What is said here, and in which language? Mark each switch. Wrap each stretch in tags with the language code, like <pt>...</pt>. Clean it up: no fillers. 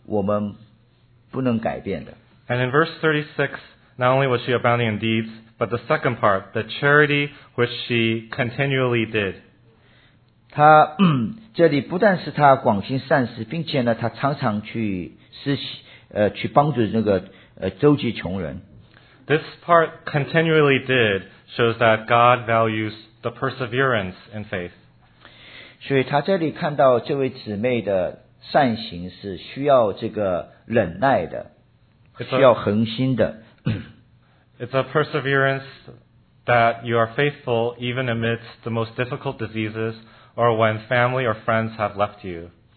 <zh>但是神会以他的平安带领我们，使我们能够改变我们需要改变的，并且接受我们不能改变的。</zh> <en>And in verse 36, not only was she abounding in deeds, but the second part, the charity which she continually did.</en> <zh>他这里不但是他广行善事，并且呢，他常常去帮助那个周济穷人。</zh> <en>This part continually did shows that God values the perseverance in faith.</en> <zh>所以他这里看到这位姊妹的善行是需要这个忍耐的，需要恒心的。</zh> <en>It's a perseverance that you are faithful even amidst the most difficult diseases. Or when family or friends have left you.</en>